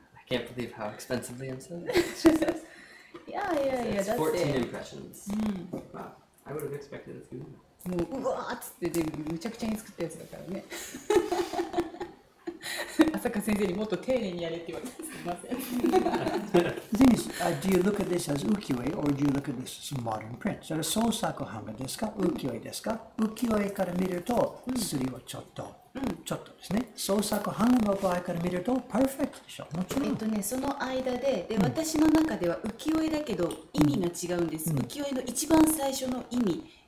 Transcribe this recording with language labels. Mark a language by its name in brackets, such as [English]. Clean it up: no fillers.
[English] I can't believe how expensively I'm selling. いや、Yeah, that's 14 it. Impressions. Mm. Wow. I would have expected a few more. [Japanese] もう、うわーっつって、全部むちゃくちゃに作ったやつだからね。朝霞先生にもっと丁寧にやれって言われて、すみません。 [English] The thing is, do you look at this as 浮世絵 or do you look at this as modern print? [Japanese] それ創作版画ですか、浮世絵ですか、浮世絵から見ると、すりをちょっと、ちょっとですね。創作版画の場合から見ると、パーフェクトでしょ、もちろん。ね、その間で、で、私の中では浮世絵だけど、意味が違うんです。浮世絵の一番最初の意味。